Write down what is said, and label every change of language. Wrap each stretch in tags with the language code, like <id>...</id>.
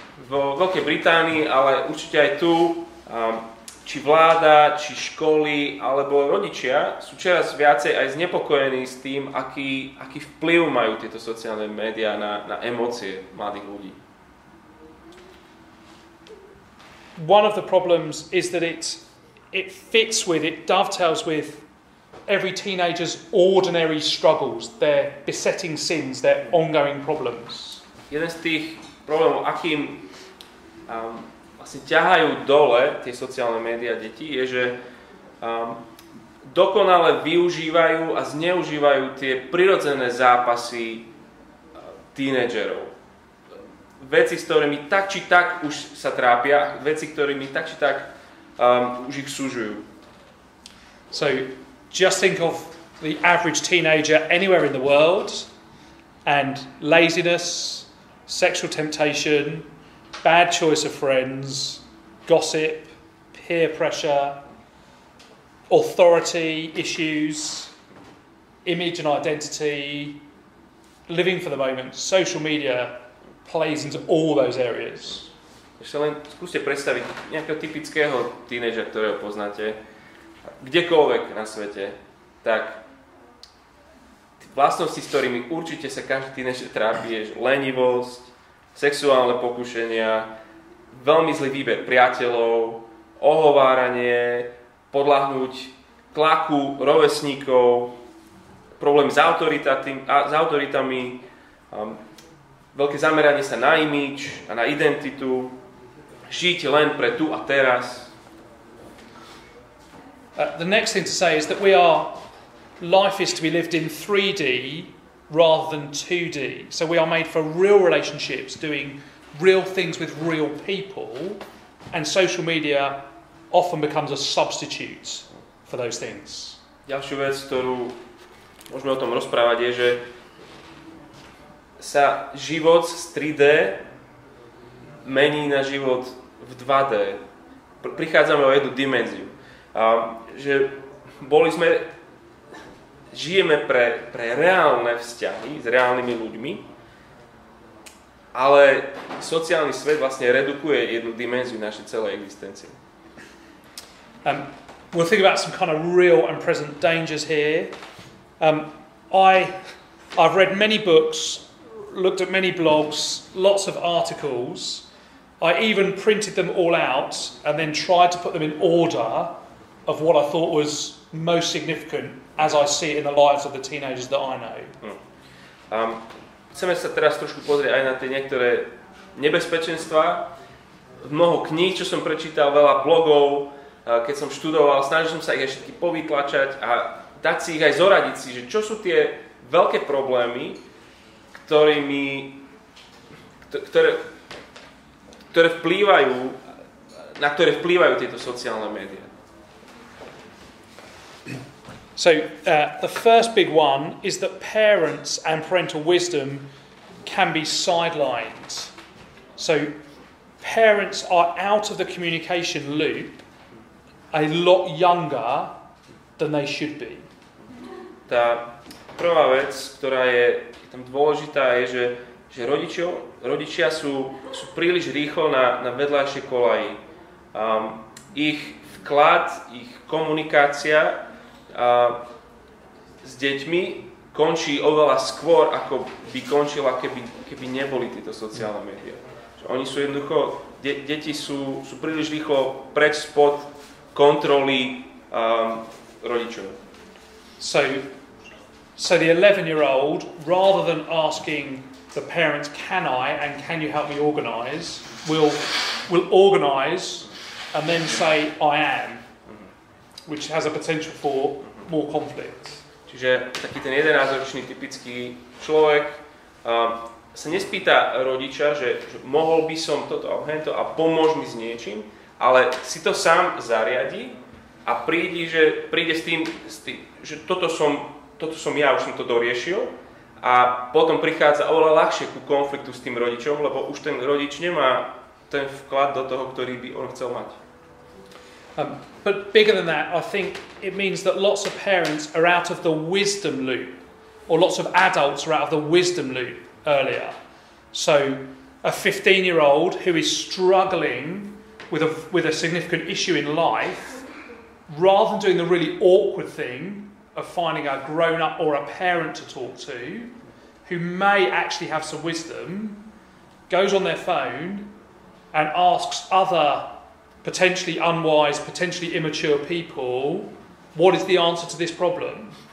<sk>Vo Veľkej Británii, ale určite aj tu, či vláda, či školy, alebo rodičia sú čoraz viacej aj znepokojení s tým, aký vplyv majú tieto sociálne médiá na emócie mladých ľudí.</sk> <en>One of the problems is that it fits with, it dovetails with every teenager's ordinary struggles, their besetting sins, their ongoing problems.</en> <sk>Jeden z tých problémov, akým vlastne ťahajú dole tie sociálne médiá deti, je, že dokonale využívajú a zneužívajú tie prirodzené zápasy teenagerov. Veci, s ktorými tak či tak už sa trápia, veci, ktorými tak či tak už ich sužujú.</sk> <en>So just think of the average teenager anywhere in the world and laziness, sexual temptation, bad choice of friends, gossip, peer pressure, authority issues, image and identity, living for the moment. Social media plays into all those areas.</en> <sk>Ešte len skúste predstaviť nejakého typického teenagera, ktorého poznáte. Kdekoľvek na svete, tak vlastnosti, s ktorými určite sa každý tínežer trápi, je lenivosť, sexuálne pokušenia, veľmi zlý výber priateľov, ohováranie, podľahnuť tlaku rovesníkov, problém s autoritami, veľké zameranie sa na imidž a na identitu, žiť len pre tu a teraz.</sk> <en>The next thing to say is that we are, life is to be lived in 3D rather than 2D. So we are made for real relationships, doing real things with real people, and social media often becomes a substitute for those things.</en> <sk>Ďalšiu vec, ktorú môžeme o tom rozprávať, je, že sa život z 3D mení na život v 2D. Prichádzame o jednu dimenziu. Že boli sme, žijeme pre reálne vzťahy s reálnymi ľuďmi, ale sociálny svet vlastne redukuje jednu dimenziu našej celej existencie.</sk> <en>We'll think about some kind of real and present dangers here. I've read many books, looked at many blogs, lots of articles. I even printed them all out and then tried to put them in order of what I thought was most significant as I see it in the lives of the teenagers that I know.</en> <sk>Chceme sa teraz trošku pozrieť aj na tie niektoré nebezpečenstvá. Mnoho kníh, čo som prečítal, veľa blogov, keď som študoval, snažil som sa ich aj všetky povytlačať a dať si ich aj zoradiť si, že čo sú tie veľké problémy, ktoré vplývajú, na ktoré vplývajú tieto sociálne médiá.</sk> <en>So the first big one is that parents and parental wisdom can be sidelined. So parents are out of the communication loop a lot younger than they should be.</en> <sk>Tá prvá vec, ktorá je tam dôležitá, je, že rodičia sú príliš rýchlo na vedľajšej kolaji. Ich vklad, ich komunikácia s deťmi končí oveľa skôr, ako by končila, keby neboli tieto sociálne médiá. Oni sú jednoducho, deti sú príliš rýchlo preč spod kontroly rodičov.</sk> <en>So the 11-year-old, rather than asking the parents, can I and can you help me organize, will organize and then say, I am, which has a potential for more conflict.</en> <sk>Čiže taký ten 11-ročný typický človek sa nespýta rodiča, že mohol by som toto a hento a pomôž mi s niečím, ale si to sám zariadi a príde s tým, že toto som ja, už som to doriešil a potom prichádza oveľa ľahšie ku konfliktu s tým rodičom, lebo už ten rodič nemá ten vklad do toho, ktorý by on chcel mať.</sk> <en>But bigger than that, I think it means that lots of parents are out of the wisdom loop, or lots of adults are out of the wisdom loop earlier. So a 15-year-old who is struggling with a significant issue in life, rather than doing the really awkward thing of finding a grown-up or a parent to talk to, who may actually have some wisdom, goes on their phone and asks other potentially unwise, potentially immature people, what is the answer to this problem?</en>